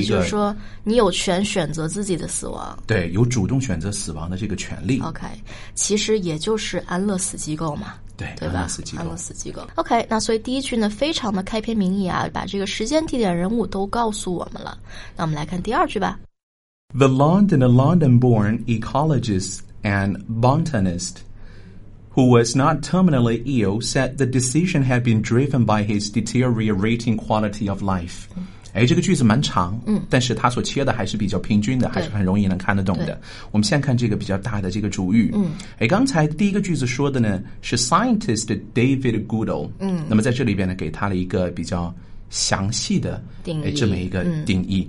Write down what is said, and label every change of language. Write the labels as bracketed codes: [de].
[zh] 也就是说你有权选择自己的死亡对有主动选择死亡的这个权利 OK 其实也就是安乐死机构嘛对安乐死机构 OK 那所以第一句呢非常的开篇明义啊把这个时间地点人物都告诉我们了那我们来看第二句吧 [en] The London a London-born ecologist and botanistwho was not terminally ill, said the decision had been driven by his deteriorating quality of life. [zh] 哎，这个句子蛮长、嗯、但是它所切的还是比较平均的还是很容易能看得懂的。我们先看这个比较大的这个主语、嗯哎、刚才第一个句子说的呢是 scientist David Goodall、嗯、那么在这里边呢给他了一个比较详细的定义、哎、这么一个定义、